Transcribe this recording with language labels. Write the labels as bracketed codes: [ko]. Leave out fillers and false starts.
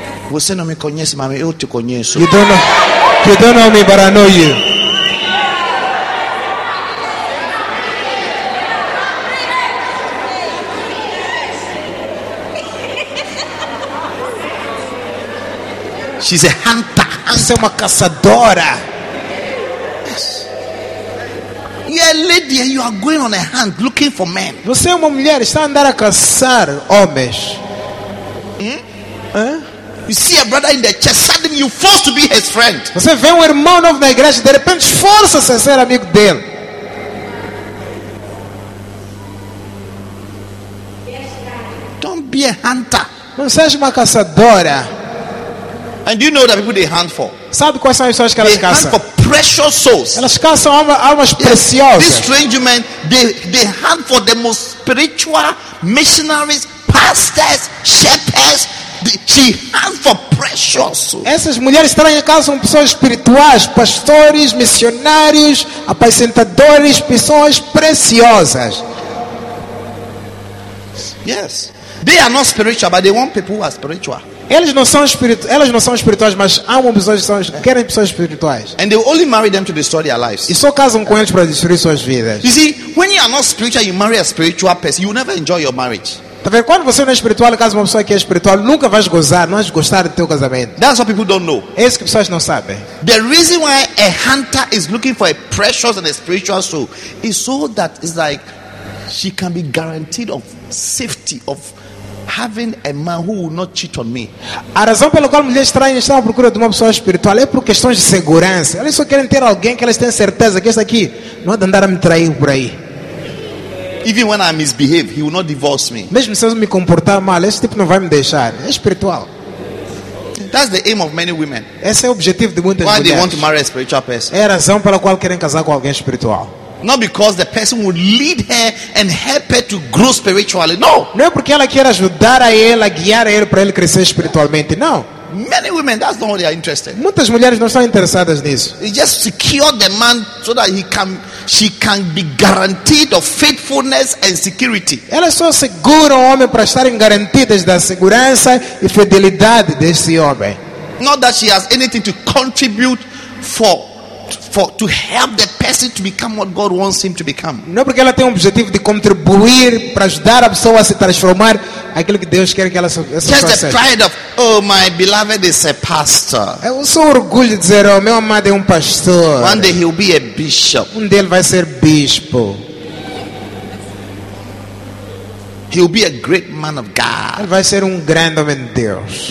[pt] Você não me conhece, mas eu te conheço. [en] You don't know me, but I know you. She's a hunter. [pt] Essa é uma caçadora. [en] Yes. Yeah, lady, you are going on a hunt looking for men. [pt] Você é uma mulher, está andando a caçar homens. [en] You see a brother in the church, suddenly you forced to be his friend. [pt] Você vê irmão novo na igreja, de repente força-se a ser amigo dele. [en] Don't be a hunter. [pt] Não seja uma caçadora. [en] And do you know that people they hunt for? [pt] Sabe quais são as pessoas que elas caçam? [en] They hunt for precious souls. [pt] Elas caçam almas preciosas. [en] These strange men, they hunt for the most spiritual missionaries, pastors, shepherds. They hunt for precious souls. [pt] Essas mulheres estranhas caçam pessoas espirituais, pastores, missionários, apacentadores, pessoas preciosas. [en] Yes. They are not spiritual, but they want people who are spiritual. [pt] Elas não são espirituais, mas amam pessoas que são, querem pessoas espirituais. [en] And they only marry them to destroy their lives. [pt] E só casam com eles para destruir suas vidas. [en] You see, when you are not spiritual, you marry a spiritual person, you never enjoy your marriage. [pt] Tá vendo? Quando você não é espiritual, casa uma pessoa que é espiritual, nunca vais gozar, não vais gostar do teu casamento. [en] That's what people don't know. [pt] É isso que pessoas não sabem. [en] The reason why a hunter is looking for a precious and a spiritual soul is so that it's like she can be guaranteed of safety of having a man who will not cheat on me. [pt] A razão pela qual mulheres estranhas estão à procura de uma pessoa espiritual é por questões de segurança. Elas só querem ter alguém que elas têm certeza que esse aqui não vai andar a me trair por aí. [en] Even when I misbehave, he will not divorce me. [pt] Mesmo se eu me comportar mal, esse tipo não vai me deixar. É espiritual. [en] That's the aim of many women. [pt] Esse é o objetivo de muitas [en] Why [pt] mulheres. [en] Why they want to marry a spiritual person? [pt] É a razão pela qual querem casar com alguém espiritual. [en] Not because the person would lead her and help her to grow spiritually. No. [pt] Não é porque ela quer ajudar a ele, a guiar a ele para ele crescer espiritualmente. Não. [en] Many women, that's not what they are interested. [pt] Muitas mulheres não estão interessadas nisso. [en] They just secure the man so that she can be guaranteed of faithfulness and security. [pt] Elas só seguram o homem para estarem garantidas da segurança e fidelidade desse homem. [en] Not that she has anything to contribute for to help the person to become what God wants him to become. [pt] Não porque ela tem um objetivo de contribuir para ajudar a pessoa a se transformar aquilo que Deus quer que ela seja. [en] Just the pride of, oh, my beloved is a pastor. [pt] É o seu orgulho de dizer, oh, meu amado é um pastor. [en] One day he'll be a bishop. [pt] Um dia ele vai ser bispo. [en] He'll be a great man of God. [pt] Ele vai ser um grande homem de Deus.